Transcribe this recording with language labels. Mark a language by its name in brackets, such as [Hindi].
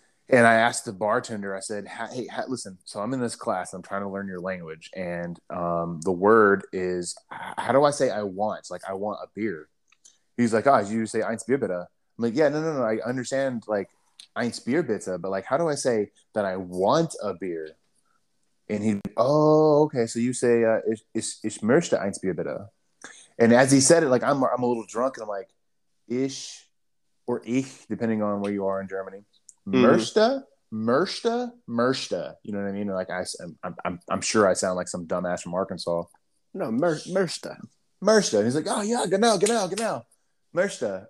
[English] And I asked the bartender, I said, hey, listen, so I'm in this class, I'm trying to learn your language, and the word is, how do I say I want? Like, I want a beer. He's like, oh, you say [German] eins Bier bitte. [English] I'm like, yeah, no, I understand, like, eins Bier bitte, but, like, how do I say that I want a beer? And he, oh, okay, so you say, [German] ich möchte eins Bier bitte. [English] And as he said it, like, I'm a little drunk, and I'm like, ich or ich, depending on where you are in Germany. Mershta, you know what I mean? Like, I'm sure I sound like some dumbass from Arkansas. No, Mershta. Mershta. He's like, oh, yeah, genau. Mershta.